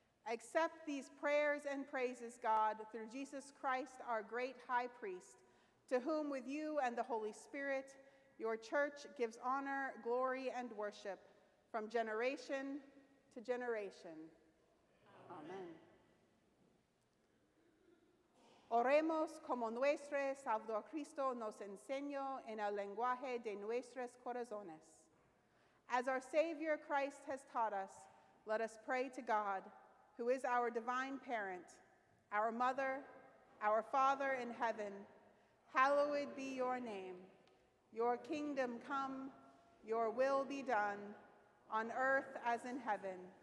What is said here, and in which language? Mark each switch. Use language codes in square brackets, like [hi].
[en] Accept these prayers and praises, God, through Jesus Christ, our great high priest, to whom with you and the Holy Spirit, your church gives honor, glory, and worship from generation to generation. Amen. Amen. [es] Oremos como nuestro Salvador Cristo nos enseñó en el lenguaje de nuestros corazones. [en] As our Savior Christ has taught us, let us pray to God, who is our divine parent, our mother, our Father in heaven. Hallowed be your name. Your kingdom come, your will be done, on earth as in heaven.